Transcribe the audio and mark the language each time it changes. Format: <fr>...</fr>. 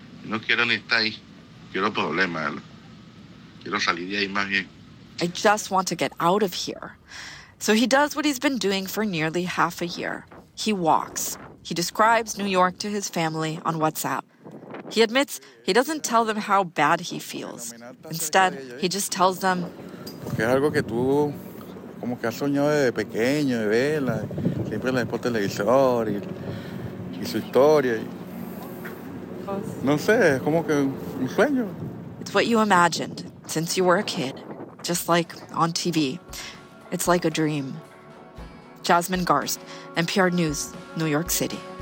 <es>No quiero ni estar ahí. Quiero problema. Quiero salir de ahí más bien.</es> <en>I just want to get out of here. So he does what he's been doing for nearly half a year. He walks. He describes New York to his family on WhatsApp. He admits he doesn't tell them how bad he feels. Instead, he just tells them,</en> <es>es algo que tú como que has soñado desde pequeño, de verla, siempre la ves por televisor y su historia. No sé, es como que un sueño.</es> <en>It's what you imagined since you were a kid, just like on TV. It's like a dream. Jasmine Garst, NPR News, New York City.</en>